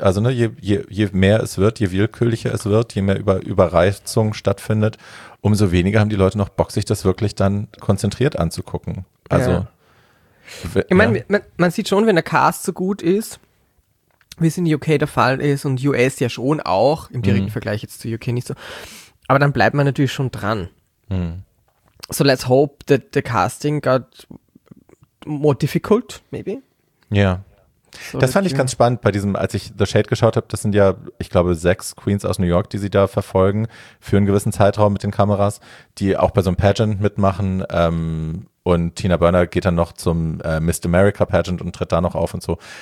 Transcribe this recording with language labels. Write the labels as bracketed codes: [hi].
[de] Also ne, je mehr es wird, je willkürlicher es wird, je mehr Überreizung stattfindet, umso weniger haben die Leute noch Bock, sich das wirklich dann konzentriert anzugucken. Also Man sieht schon, wenn der Cast so gut ist, wie es in UK der Fall ist und US ja schon auch, im direkten Vergleich jetzt zu UK nicht so. Aber dann bleibt man natürlich schon dran. [en] So let's hope that the casting got more difficult, maybe. [de] Ja. Yeah. So das fand ich ganz spannend bei diesem, als ich The Shade geschaut habe, das sind ja, ich glaube, 6 Queens aus New York, die sie da verfolgen für einen gewissen Zeitraum mit den Kameras, die auch bei so einem Pageant mitmachen und Tina Burner geht dann noch zum Miss America Pageant und tritt da noch auf und so.